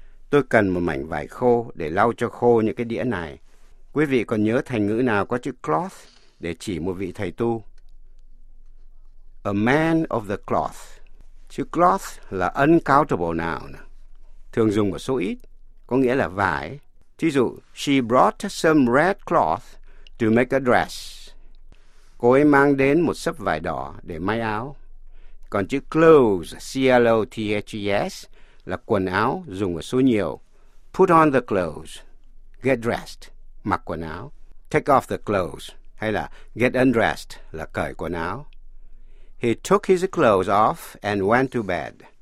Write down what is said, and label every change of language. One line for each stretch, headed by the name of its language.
Vietnamese: Tôi cần một mảnh vải khô để lau cho khô những cái đĩa này. Quý vị còn nhớ thành ngữ nào có chữ cloth để chỉ một vị thầy tu?
English: A man of the cloth.
Vietnamese: Chữ cloth là uncountable noun, thường dùng ở số ít, có nghĩa là vải. Thí dụ,
English: she brought some red cloth to make a dress.
Vietnamese: Cô ấy mang đến một sấp vải đỏ để may áo. Còn chữ clothes, C-L-O-T-H-E-S, là quần áo, dùng ở số nhiều.
English: Put on the clothes, get dressed,
Vietnamese: mặc quần áo.
English: Take off the clothes,
Vietnamese: hay là
English: get undressed,
Vietnamese: là cởi quần áo.
English: He took his clothes off and went to bed.